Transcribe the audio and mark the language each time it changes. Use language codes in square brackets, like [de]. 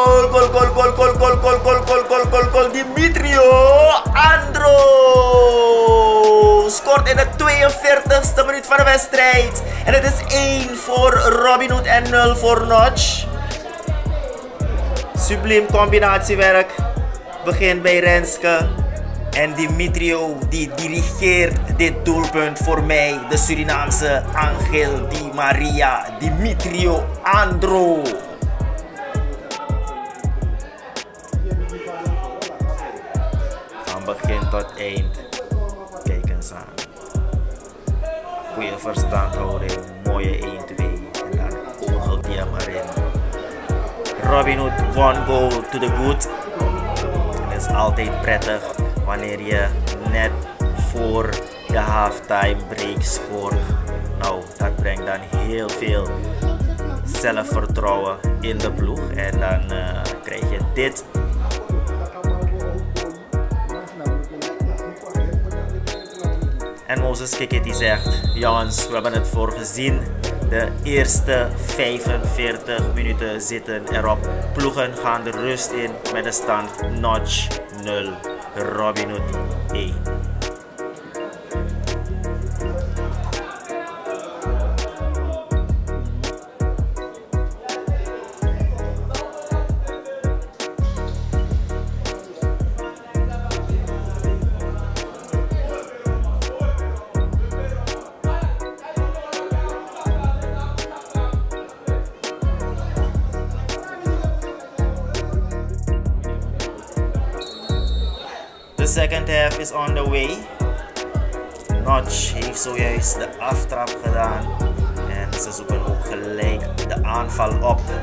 [en] Goal, goal, goal, goal, goal, goal, goal, goal, goal, goal, goal, Dimitrio Andro! [nl] Scoort in de 42e minuut van de wedstrijd. En het is 1 voor Robinhood en 0 voor Notch. Subliem combinatiewerk. Begint bij Renske. En Dimitrio die dirigeert dit doelpunt voor mij, de Surinaamse Angel Di Maria, Dimitrio Andro. Van begin tot eind, kijk eens aan. Goeie verstandhouding, mooie 1-2 en dan kogel die hem erin. [en] Robin Hood, one goal to the good. [nl] Dat is altijd prettig. Wanneer je net voor de [en] halftime break [nl] scoort. Nou, dat brengt dan heel veel zelfvertrouwen in de ploeg. En dan krijg je dit. En Moses Kekiti zegt, jongens, we hebben het voor gezien. De eerste 45 minuten zitten erop. Ploegen gaan de rust in met de stand Notch 0. Robinhood 1. [en] Second half is on the way. [nl] Notch heeft zojuist de aftrap gedaan. En ze zoeken ook gelijk de aanval op.